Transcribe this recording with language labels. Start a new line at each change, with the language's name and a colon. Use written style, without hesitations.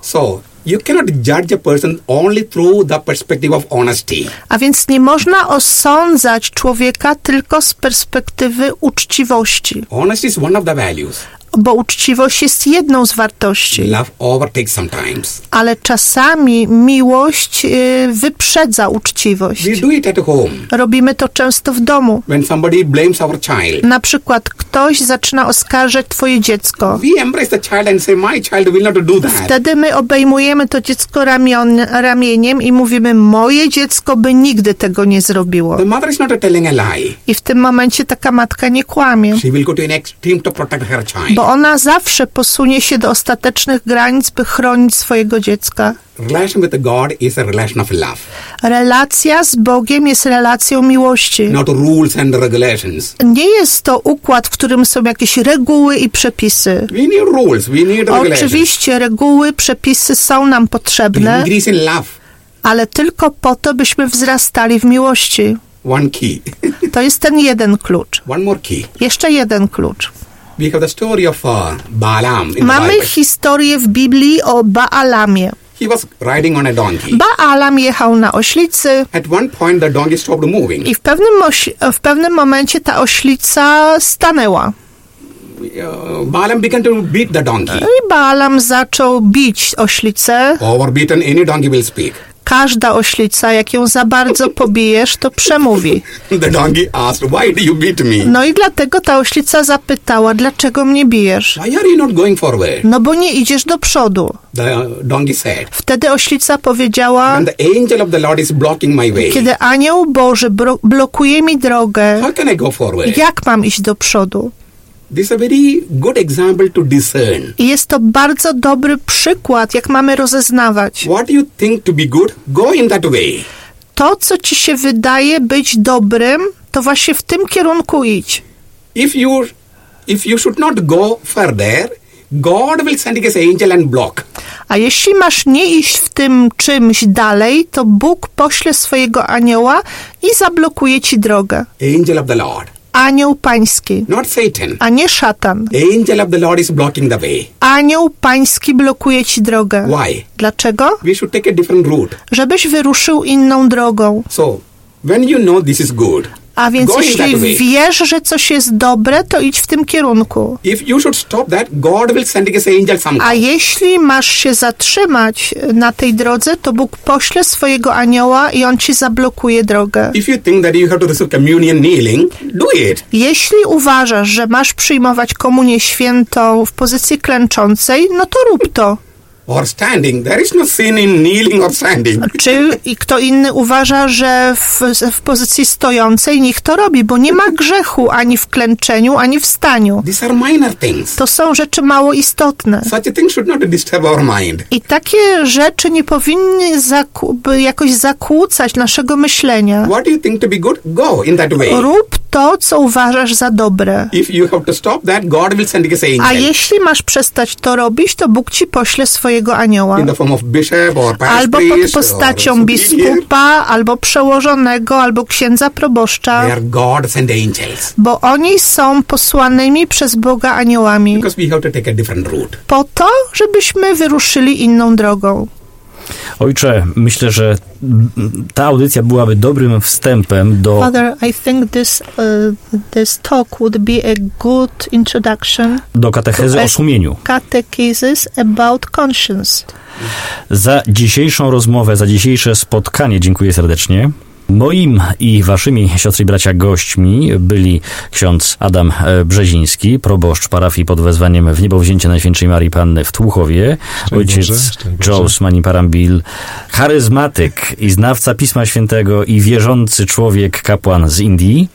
English: So, you cannot judge a person only through the perspective of honesty.
Polish: A więc nie można osądzać człowieka tylko z perspektywy uczciwości.
English: Honesty is one of the values.
Polish: Bo uczciwość jest jedną z wartości.
English: Love overtakes sometimes.
Polish: Ale czasami miłość wyprzedza uczciwość.
English: We do it at home.
Polish: Robimy to często w domu.
English: When somebody blames our child.
Polish: Na przykład ktoś zaczyna oskarżać twoje dziecko.
English: We embrace the child and say, my child will not do that.
Polish: Wtedy my obejmujemy to dziecko ramieniem i mówimy, moje dziecko by nigdy tego nie zrobiło.
English: The mother is not telling a lie.
Polish: I w tym momencie taka matka nie kłamie.
English: She will go to an extreme to protect her child.
Polish: Bo ona zawsze posunie się do ostatecznych granic, by chronić swojego dziecka.
English: Relation with God is a relation of love.
Polish: Relacja z Bogiem jest relacją miłości.
English: Not rules and regulations.
Polish: Nie jest to układ, w którym są jakieś reguły i przepisy.
English: We need rules, we need regulations.
Polish: Oczywiście reguły, przepisy są nam potrzebne,
English: increase in love.
Polish: Ale tylko po to, byśmy wzrastali w miłości.
English: One key.
Polish: To jest ten jeden klucz.
English: One more key.
Polish: Jeszcze jeden klucz.
English: We have the story of Balaam in
Polish: Mamy
English: the Bible.
Polish: Historię w Biblii o Baalamie.
English: He was riding on a donkey.
Polish: Baalam jechał na oślicy.
English: At one point the donkey stopped moving.
Polish: I w pewnym momencie ta oślica stanęła.
English: Balaam began to beat the donkey.
Polish: I Balaam zaczął bić oślicę.
English: Overbeaten, any donkey will speak.
Polish: Każda oślica, jak ją za bardzo pobijesz, to przemówi.
English: The donkey asked, why do you beat me?
Polish: No i dlatego ta oślica zapytała, dlaczego mnie bijesz?
English: Why are you not going forward?
Polish: No bo nie idziesz do przodu.
English: The donkey said,
Polish: wtedy oślica powiedziała,
English: when the angel of the Lord is blocking my way,
Polish: kiedy anioł Boży blokuje mi drogę,
English: how can I go forward?
Polish: Jak mam iść do przodu?
English: This is a very good example to discern.
Polish: Jest to bardzo dobry przykład, jak mamy rozeznawać.
English: What you think to be good, go in that way.
Polish: To, co ci się wydaje być dobrym, to właśnie w tym kierunku idź.
English: If you should not go further, God will send his angel and block.
Polish: A jeśli masz nie iść w tym czymś dalej, to Bóg pośle swojego anioła i zablokuje ci drogę.
English: Angel of the Lord.
Polish: Anioł Pański.
English: Not Satan.
Polish: A nie szatan.
English: Angel of the Lord is blocking the way.
Polish: Anioł Pański blokuje ci drogę.
English: Why?
Polish: Dlaczego?
English: We should take a different route.
Polish: Żebyś wyruszył inną drogą.
English: So, when you know this is good,
Polish: a więc jeśli wiesz, że coś jest dobre, to idź w tym kierunku.
English: If you should stop that, God will send his angel somehow.
Polish: A jeśli masz się zatrzymać na tej drodze, to Bóg pośle swojego anioła i on ci zablokuje drogę.
English: If you think that you have to receive communion kneeling, do it.
Polish: Jeśli uważasz, że masz przyjmować komunię świętą w pozycji klęczącej, no to rób to.
English: Or standing. There is no sin in kneeling or standing.
Polish: Czy i kto inny uważa, że w pozycji stojącej niech to robi, bo nie ma grzechu ani w klęczeniu, ani w staniu.
English: These are minor things.
Polish: To są rzeczy mało istotne.
English: Such a thing should not disturb our mind.
Polish: I takie rzeczy nie powinny jakoś zakłócać naszego myślenia.
English: What do you think to be good? Go in that way.
Polish: Rób to, co uważasz za dobre.
English: If you have to stop that, God will send his angel.
Polish: A jeśli masz przestać to robić, to Bóg ci pośle swojego anioła.
English: In the form of bishop or pastor,
Polish: albo pod postacią biskupa, albo przełożonego, albo księdza proboszcza.
English: They are gods and angels.
Polish: Bo oni są posłanymi przez Boga aniołami.
English: Because we have to take a different route.
Polish: Po to, żebyśmy wyruszyli inną drogą. Ojcze, myślę, że ta audycja byłaby dobrym wstępem do...
English: Father, I think this talk would be a good introduction...
Polish: Do katechezy o sumieniu.
English: Catechesis about conscience.
Polish: Za dzisiejszą rozmowę, za dzisiejsze spotkanie dziękuję serdecznie. Moim i waszymi siostry i bracia gośćmi byli ksiądz Adam Brzeziński, proboszcz parafii pod wezwaniem w niebowzięcie Najświętszej Marii Panny w Tłuchowie, ojciec Joe Maniparambil, charyzmatyk i znawca Pisma Świętego i wierzący człowiek, kapłan z Indii.